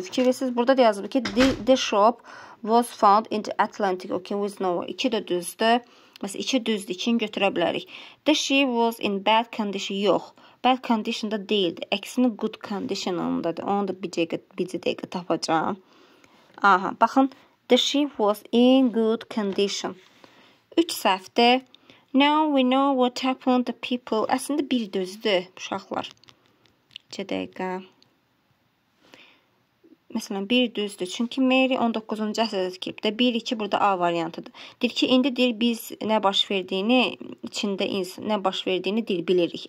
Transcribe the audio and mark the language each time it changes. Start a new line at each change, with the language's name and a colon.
Azerbaijani: Fikir verirsiniz, burada da yazılır ki,
English: the ship was found in the Atlantic Ocean with no
Azerbaijani: one. İki də düzdür. Məsələn, iki düzdür, ikini götürə bilərik.
English: The ship was in bad condition.
Azerbaijani: Yox. Bad condition-da deyildi. Əksini good condition-ındadır. Onu da bir dəqiqə tapacağım. Aha, baxın.
English: The ship was in good condition.
Azerbaijani: Üç səhvdir.
English: Now we know what happened to people.
Azerbaijani: Əslində, bir düzdür, uşaqlar. Üç dəqiqə. Məsələn, bir düzdür. Çünki Mary 19-cu əsrdə tikilib. 1-2 burada A variantıdır. Deyir ki, indi deyir, biz nə baş verdiyini, içində nə baş verdiyini deyir, bilirik.